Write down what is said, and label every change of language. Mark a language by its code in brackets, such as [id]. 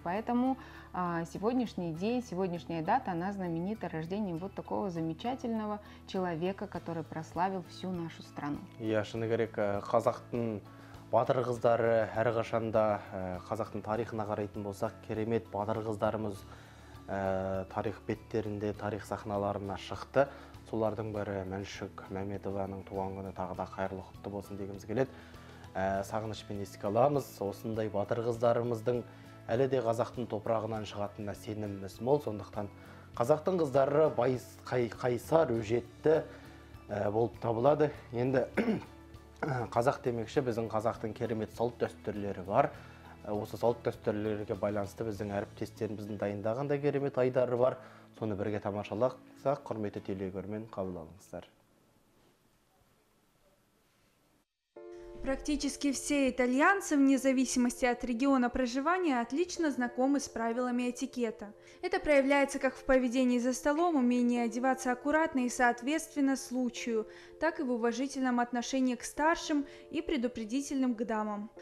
[ru] Поэтому сегодняшний день, сегодняшняя дата, она знаменита рождением вот такого замечательного человека, который прославил всю нашу страну. [kk] Я шыны керек, қазақтың батыр қыздары әрқашанда қазақтың тарихына қарайтын болсақ, керемет батыр қыздарымыз тарих беттерінде, тарих сахналарына шықты. Солардың бірі Маншук Маметованың туған күні, тағы да қайырлы құтты болсын дегіміз келеді. Сағынышпен еске аламыз, осындай батыр қыздарымыздың әлі де қазақтың топырағынан шығатынына сеніміміз мол. Сондықтан қазақтың қыздары байыз қайсар өжетті болып табылады. Енді қазақ демекші, біздің қазақтың керемет салт дәстүрлері бар. Осы салт дәстүрлерге байланысты біздің әріптестеріміздің дайындаған да керемет айдары бар. Соны бірге тамашалақсақ, құрметті телекөрермен қабыл алыңыздар. [ru] Практически все итальянцы, вне зависимости от региона проживания, отлично знакомы с правилами этикета. Это проявляется как в поведении за столом, умении одеваться аккуратно и соответственно случаю, так и в уважительном отношении к старшим и предупредительным к дамам.